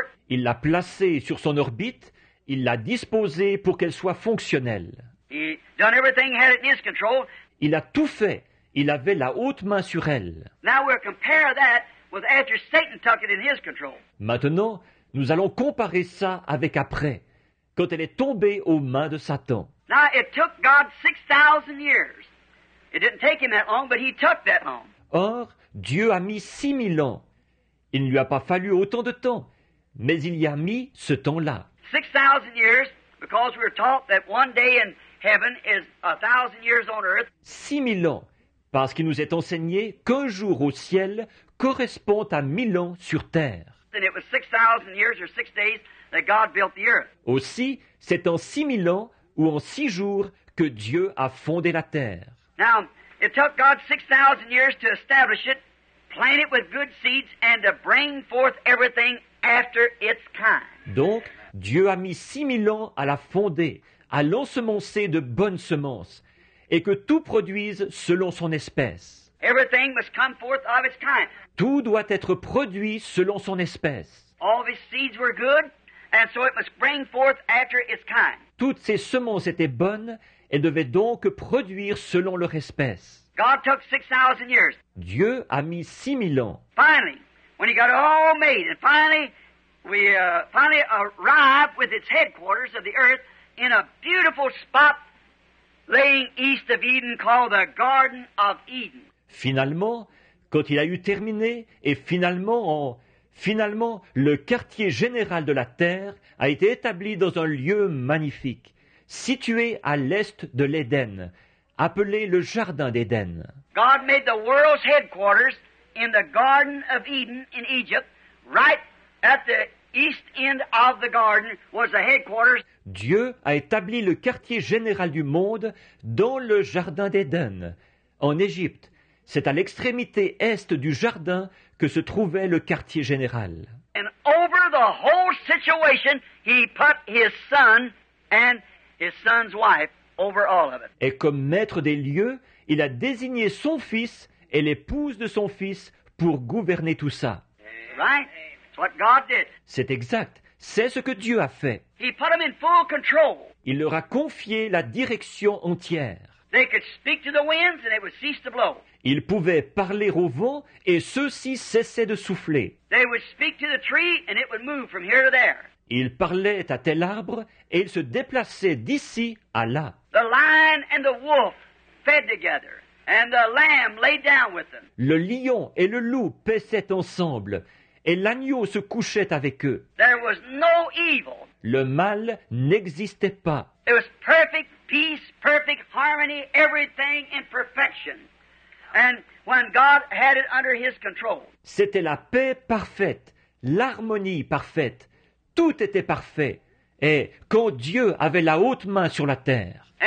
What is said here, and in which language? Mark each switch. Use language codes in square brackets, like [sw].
[fr] Il l'a placée sur son orbite, il l'a disposée pour qu'elle soit fonctionnelle. [en] He done everything, had it in his control. [fr] Il a tout fait, il avait la haute main sur elle. [en] Now we'll compare that with after Satan took it in his control. [fr] Maintenant, nous allons comparer ça avec après, quand elle est tombée aux mains de Satan. [en] Now it took God 6,000 years. It didn't take him that long, but he took that long. [fr] Or, Dieu a mis 6,000 ans. Il ne lui a pas fallu autant de temps, mais il y a mis ce temps-là. [en] 6,000 years, because we're taught that one day in heaven is 1,000 years on earth. [fr] 6,000 ans, parce qu'il nous est enseigné qu'un jour au ciel correspond à 1,000 ans sur terre. [en] Then it was 6,000 years or 6 days that God built the earth. [fr] Aussi, c'est en 6,000 ans ou en 6 jours que Dieu a fondé la terre. [en] Now, it took God 6,000 years to establish it, plant it with good seeds, and to bring forth everything after its kind. [fr] Donc, Dieu a mis 6,000 ans à la fonder, à l'ensemencer de bonnes semences, et que tout produise selon son espèce. [en] Everything must come forth of its kind. [fr] Tout doit être produit selon son espèce. [en] All his seeds were good, and so it must bring forth after its kind. [fr] Toutes ses semences étaient bonnes, et devaient donc produire selon leur espèce. [en] God took 6,000 years. [fr] Dieu a mis 6,000 ans. [en] Finally, when he got all made, and finally arrived with its headquarters of the earth in a beautiful spot laying east of Eden called the Garden of Eden. [fr] Finalement, quand il a eu terminé, et finalement, le quartier général de la terre a été établi dans un lieu magnifique, situé à l'est de l'Éden, appelé le Jardin d'Éden. [en] God made the world's headquarters in the Garden of Eden in Egypt, right at the east end of the garden was the headquarters. [fr] Dieu a établi le quartier général du monde dans le Jardin d'Éden, en Égypte. C'est à l'extrémité est du jardin que se trouvait le quartier général. [en] And over the whole situation, he put his son and his son's wife over all of it. [fr] Et comme maître des lieux, il a désigné son fils et l'épouse de son fils pour gouverner tout ça. [en] Right? It's what God did. [fr] C'est exact. C'est ce que Dieu a fait. [en] He put them in full control. [fr] Il leur a confié la direction entière. [en] They could speak to the winds and they would cease to blow. [fr] Ils pouvaient parler au vent et ceux-ci cessaient de souffler. [en] They would speak to the tree and it would move from here to there. [fr] Il parlait à tel arbre et il se déplaçait d'ici à là. [en] The lion and the wolf fed together, and the lamb lay down with them. [fr] Le lion et le loup paissaient ensemble et l'agneau se couchait avec eux. [en] There was no evil. [fr] Le mal n'existait pas. [en] It was perfect peace, perfect harmony, everything in perfection. And when God had it under his control. [fr] C'était la paix parfaite, l'harmonie parfaite. Tout était parfait. Et quand Dieu avait la haute main sur la terre.